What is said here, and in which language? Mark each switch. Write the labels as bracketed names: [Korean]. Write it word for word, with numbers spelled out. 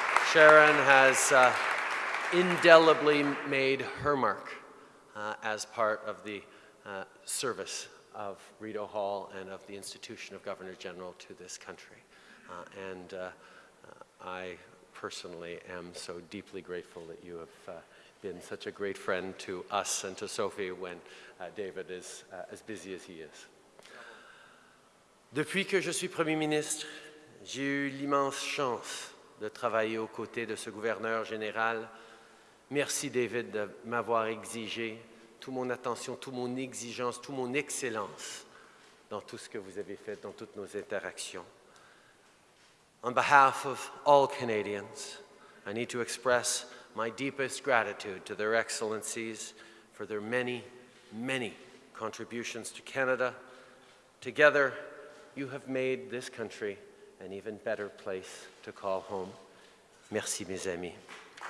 [English] Sharon has uh, indelibly made her mark uh, as part of the uh, service of Rideau Hall and of the institution of Governor General to this country. Uh, and. Uh, I personally am so deeply grateful that you have uh, been such a great friend to us and to Sophie when uh, David is uh, as busy as he is. [French] Depuis que je suis Premier ministre, j'ai eu l'immense chance de travailler aux côtés de ce gouverneur général. Merci, David, de m'avoir exigé toute mon attention, toute mon exigence, toute mon excellence dans tout ce que vous avez fait, dans toutes nos interactions. [English] On behalf of all Canadians, I need to express my deepest gratitude to their excellencies for their many, many contributions to Canada. Together, you have made this country an even better place to call home. [French] Merci, mes amis.